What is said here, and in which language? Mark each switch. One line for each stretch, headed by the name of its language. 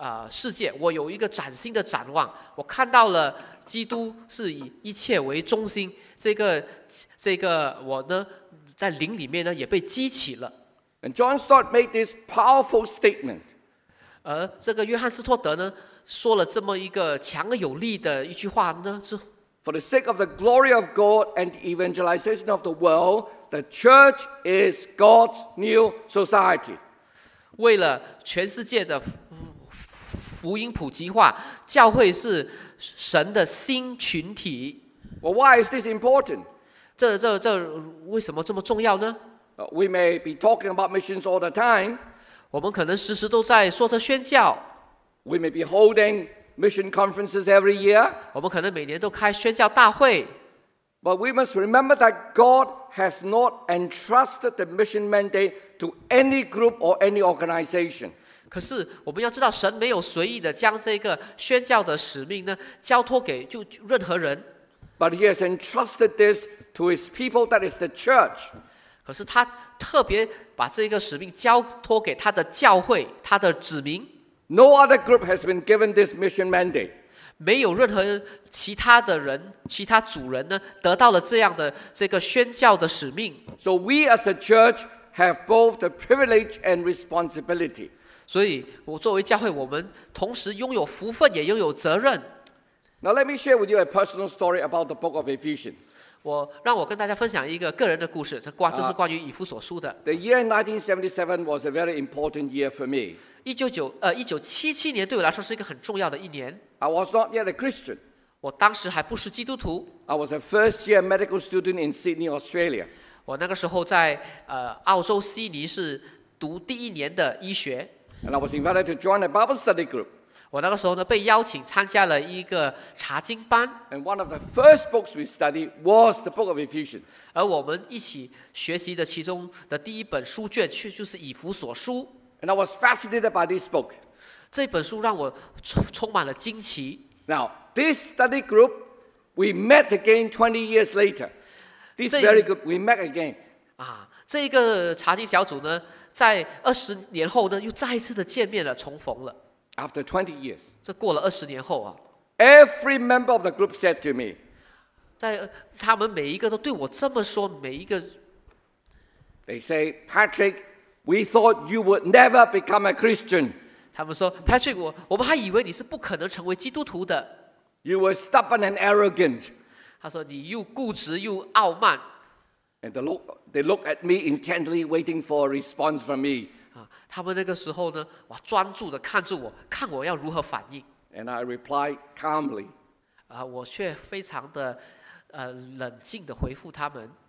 Chinese: 世界，我有一个崭新的展望，我看到了基督是以一切为中心，这个我呢在灵里面呢也被激起了。
English: And John Stott made this powerful statement.
Chinese: 而这个约翰斯托德呢说了这么一个强而有力的一句话呢，是
English: For the sake of the glory of God and the evangelization of the world, the church is God's new society.
Chinese: 为了全世界的福音普及化，教会是神的新群体。
English: Well, why is this important?
Chinese: 这为什么这么重要呢？
English: We may be talking about missions all the time.
Chinese: 我们可能时时都在说着宣教。
English: We may be holding mission conferences every year.
Chinese: 我们可能每年都开宣教大会。
English: But we must remember that God has not entrusted the mission mandate to any group or any organization.
Chinese: 可是我们要知道，神没有随意的将这个宣教的使命呢交托给就任何人。
English: But he has entrusted this to his people, that is the church.
Chinese: 可是他特别把这个使命交托给他的教会，他的子民。
English: No other group has been given this mission mandate.
Chinese: 没有任何其他的人，其他主人呢，得到了这样的这个宣教的使命。
English: So we as a church have both the privilege and responsibility.
Chinese: 所以我作为教会，我们同时拥有福分，也拥有责任。
English: Now let me share with you a personal story about the book of Ephesians.
Chinese: 我让我跟大家分享一个个人的故事，这是关于以弗所书的。
English: The year 1977 was a very important year for me.
Chinese: 1977年对我来说是一个很重要的一年。
English: I was not yet a Christian.
Chinese: 我当时还不是基督徒。
English: I was a first year medical student in Sydney, Australia.
Chinese: 我那个时候在澳洲悉尼是读第一年的医学。
English: And I was invited to join a Bible study group.
Chinese: 我那个时候呢，被邀请参加了一个查经班。
English: And one of the first books we studied was the book of Ephesians.
Chinese: 而我们一起学习的其中的第一本书卷，就是以弗所书。
English: And I was fascinated by this book.
Chinese: 这本书让我充满了惊奇。
English: Now, this study group, we met again 20 years later. This very group, we met again.
Chinese: 这一个查经小组呢，在20年后呢，又再一次的见面了，重逢了。
English: After 20 years,
Chinese: 这过了二十年后啊。
English: Every member of the group said to me,
Chinese: 在他们每一个都对我这么说，每一个。
English: They say, Patrick, we thought you would never become a Christian.
Chinese: 他们说 ，Patrick， 我们还以为你是不可能成为基督徒的。
English: You were stubborn and arrogant.
Chinese: 他说你又固执又傲慢。
English: And they look at me intently, waiting for a response from me.
Chinese: 他们那个时候呢，哇，专注地看着我，看我要如何反应。
English: And I reply calmly.
Chinese: 我却非常的冷静地回复他们。